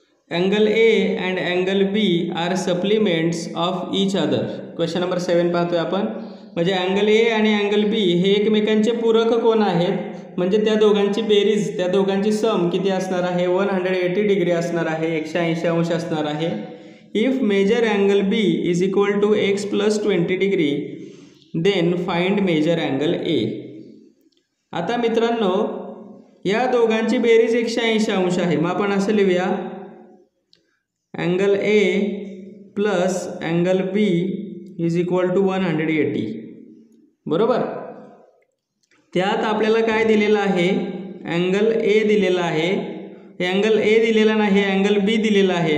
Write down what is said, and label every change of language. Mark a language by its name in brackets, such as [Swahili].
[English] angle A and angle B are supplements of each other, [Marathi] question number 7 पाहतोय आपण। म्हणजे angle A आणि angle बी हे एकमेकांचे पूरक कोण आहेत, म्हणजे त्या दोघांची बेरीज, त्या दोघांची सम किती असणार आहे 180 डिग्री असणार आहे, 180 अंश असणार आहे। [English] If measure angle B is equal to X plus 20 degree then find measure angle A. [Marathi] आता मित्रांनो, या दोघांची बेरीज 180 अंश आहे, मग आपण असं लिहूया [English] angle A plus angle B is equal to 180, [Marathi] बरोबर। त्यात आपल्याला काय दिलेलं आहे, अँगल ए दिलेला आहे, अँगल ए दिलेला नाही, अँगल बी दिलेला आहे।